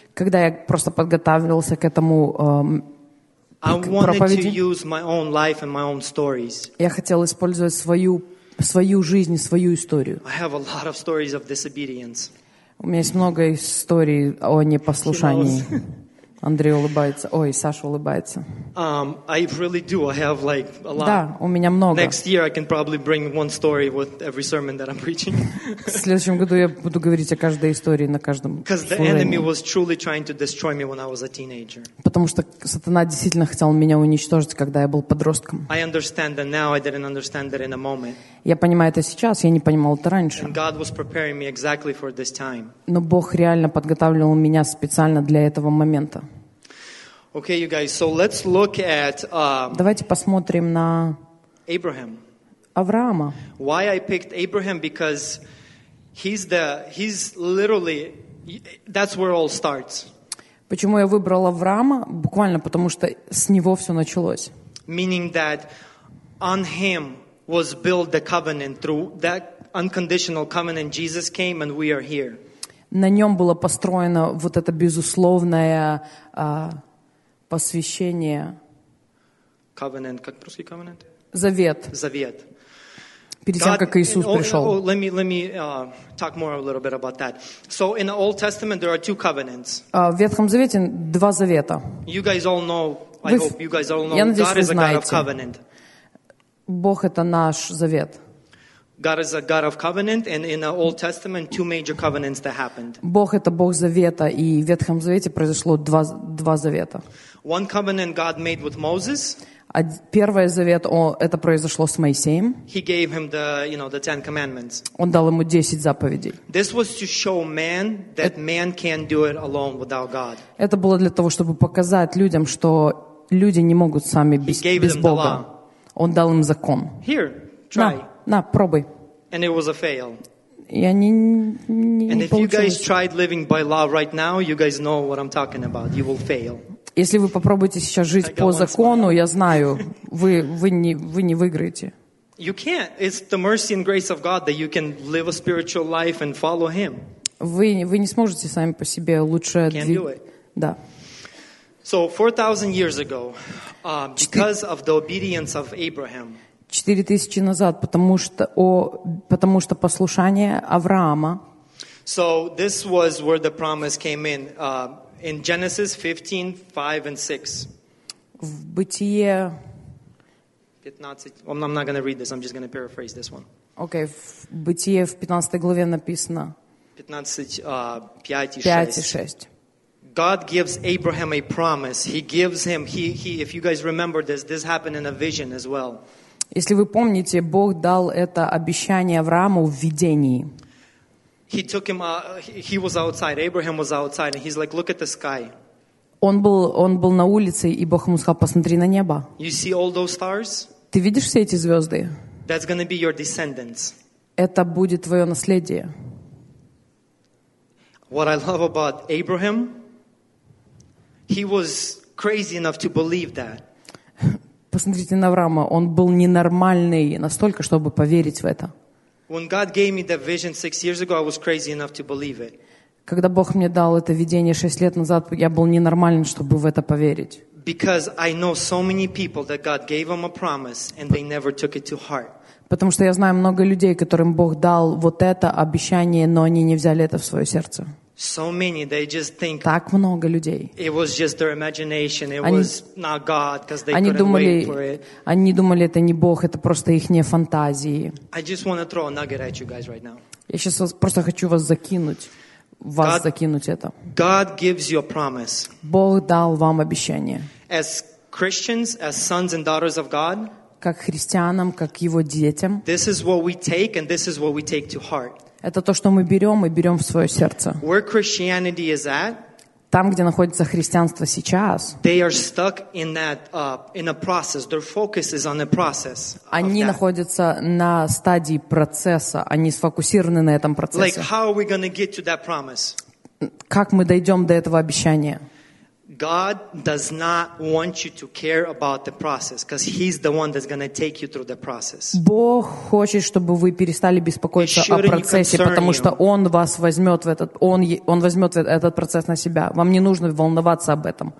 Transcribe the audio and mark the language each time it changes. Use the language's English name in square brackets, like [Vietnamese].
[Russian] когда я просто подготавливался к этому проповеди, [English] I wanted to use my own life and my own stories. [Russian] Я хотел использовать свою жизнь, свою историю. [English] I have a lot of stories of disobedience. [Russian] У меня есть много историй о непослушании. Андрей улыбается. Ой, Саша улыбается. [English] I really do. I have like a lot. [Russian] Да, у меня много. [English] Next year I can probably bring one story with every sermon that I'm preaching. [Russian] В следующем году я буду говорить о каждой истории на каждом [English] Because the enemy was truly trying to destroy me when I was a teenager. [Russian] Потому что сатана действительно хотел меня уничтожить, когда я был подростком. [English] I understand that now. I didn't understand that in a moment. [Russian] Я понимаю это сейчас, я не понимал это раньше. [English] And God was preparing me exactly for this time. [Russian] Но Бог реально подготавливал меня специально для этого момента. [English] Okay, you guys. So let's look at. [Russian] Давайте посмотрим на [English] Abraham. [Russian] Авраама. [English] Why I picked Abraham because he's literally that's where it all starts. [Russian] Почему я выбрал Авраама? Буквально потому что с него все началось. [English] Meaning that on him was built the covenant through that unconditional covenant. Jesus came and we are here. [Russian] На нем было построено вот это безусловное. Посвящение. Covenant, как по-русски covenant? Завет. Завет. Перед тем, как Иисус пришел. [English] Let me talk more a little bit about that. So in the Old Testament there are two covenants. [Russian] В Ветхом Завете два завета. [English] You guys all know. God is a God of covenant. [Russian] Бог это наш завет. [English] God is a God of covenant, and in the Old Testament, two major covenants that happened. [Russian] Бог это Бог завета, и в Ветхом Завете произошло два завета. [English] One covenant God made with Moses. [Russian] Первый завет, это произошло с Моисеем. [English] He gave him the, you know, the Ten Commandments. [Russian] Он дал ему 10 заповедей. [English] This was to show man that man can't do it alone without God. [Russian] Это было для того, чтобы показать людям, что люди не могут сами без Бога. Он дал им закон. [English] Here, try. [Russian] На, пробуй. [English] And it was a fail. [Russian] Я не получилось. [English] And if you guys tried living by law right now, you guys know what I'm talking about. You will fail. [Russian] Если вы попробуете сейчас жить по закону, я знаю, вы не выиграете. [English] You can't. It's the mercy and grace of God that you can live a spiritual life and follow Him. [Russian] Вы не сможете сами по себе лучше. [English] Can't do it. [Russian] Да. [English] So 4,000 years ago, because of the obedience of Abraham. [Russian] 4,000 назад, потому что послушание Авраама. [English] So this was where the promise came in Genesis 15:5-6. [Russian] В Бытие 15. [English] I'm not going to read this. I'm just going to paraphrase this one. Okay. [Russian] В Бытие в 15 главе написано. [English] 15:5-6. God gives Abraham a promise. He gives him, if you guys remember this, this happened in a vision as well. [Russian] Если вы помните, Бог дал это обещание Аврааму в видении. [English] He took him, he was outside, Abraham was outside, and he's like, look at the sky. [Russian] Он был на улице, и Бог ему сказал, посмотри на небо. [English] You see all those stars? [Russian] Ты видишь все эти звезды? [English] That's going to be your descendants. [Russian] Это будет твое наследие. [English] What I love about Abraham, he was crazy enough to believe that. [Russian] Посмотрите на Авраама, он был ненормальный настолько, чтобы поверить в это. [English] When God gave me that vision 6 years ago, I was crazy enough to believe it. [Russian] Когда Бог мне дал это видение 6 лет назад, я был ненормальным, чтобы в это поверить. [English] Because I know so many people that God gave them a promise and they never took it to heart. [Russian] Потому что я знаю много людей, которым Бог дал вот это обещание, но они не взяли это в свое сердце. [English] So many, they just think, [Russian] так много людей. [English] It was just their imagination. It was not God, because they couldn't wait for it. [Russian] Они думали, это не Бог, это просто их фантазии. [English] I just want to throw a nugget at you guys right now. [Russian] Я сейчас просто хочу вас закинуть это. [English] God gives you a promise. [Russian] Бог дал вам обещание. [English] As Christians, as sons and daughters of God, [Russian] как христианам, как его детям. [English] This is what we take, and this is what we take to heart. [Russian] Это то, что мы берем и берем в свое сердце. [English] Where Christianity is at, [Russian] там, где находится христианство сейчас, [English] they are stuck in that, in a process. Their focus is on the process. [Russian] Они находятся на стадии процесса. Они сфокусированы на этом процессе. [English] Like, how are we going to get to that promise? [Russian] Как мы дойдем до этого обещания? [English] God does not want you to care about the process, because He's the one that's going to take you through the process. [Russian] Бог хочет, чтобы вы перестали беспокоиться о процессе, потому что Он вас возьмет в этот, Он возьмет этот процесс на себя. Вам не нужно волноваться об этом.